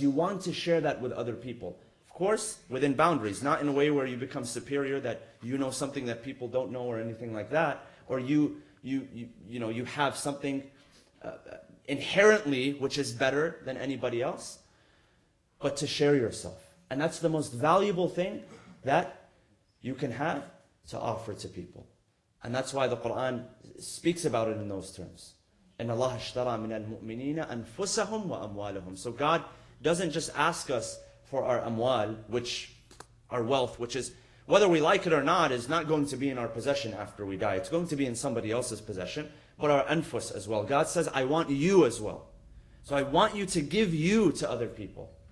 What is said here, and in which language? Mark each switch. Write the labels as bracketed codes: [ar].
[en] You want to share that with other people. Of course, within boundaries, not in a way where you become superior, that you know something that people don't know or anything like that, or you have something inherently which is better than anybody else, but to share yourself. And that's the most valuable thing that you can have to offer to people. And that's why the Quran speaks about it in those terms. [ar] إن الله اشترى من المؤمنين أنفسهم وأموالهم. [en] So God doesn't just ask us for our amwal, which our wealth, which is, whether we like it or not, is not going to be in our possession after we die. It's going to be in somebody else's possession, but our anfus as well. God says, I want you as well. So I want you to give you to other people.